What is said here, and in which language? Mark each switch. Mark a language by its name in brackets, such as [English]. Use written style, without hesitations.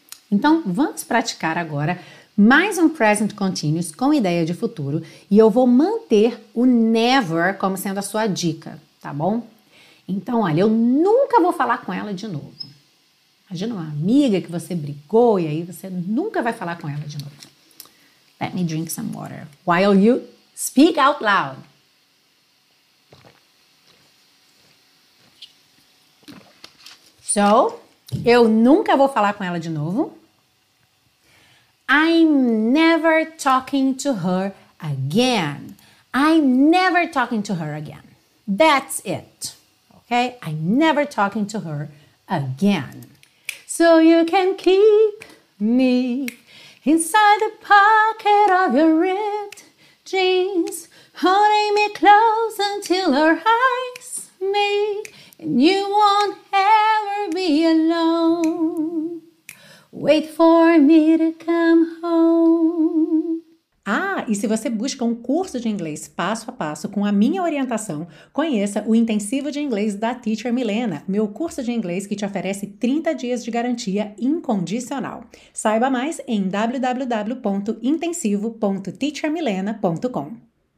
[Portuguese] Então, vamos praticar agora mais um present continuous com ideia de futuro e eu vou manter o never como sendo a sua dica, tá bom? Então, olha, eu nunca vou falar com ela de novo. Imagina uma amiga que você brigou e aí você nunca vai falar com ela de novo. [English] Let me drink some water while you speak out loud. [Portuguese] So, eu nunca vou falar com ela de novo. [English] I'm never talking to her again. I'm never talking to her again. That's it. Okay? I'm never talking to her again. So you can keep me inside the pocket of your ripped jeans, holding me close until our eyes meet, and you won't ever be alone. Wait for me to come home. [Portuguese] Ah, e se você busca um curso de inglês passo a passo com a minha orientação, conheça o Intensivo de Inglês da Teacher Milena, meu curso de inglês que te oferece 30 dias de garantia incondicional. Saiba mais em www.intensivo.teachermilena.com.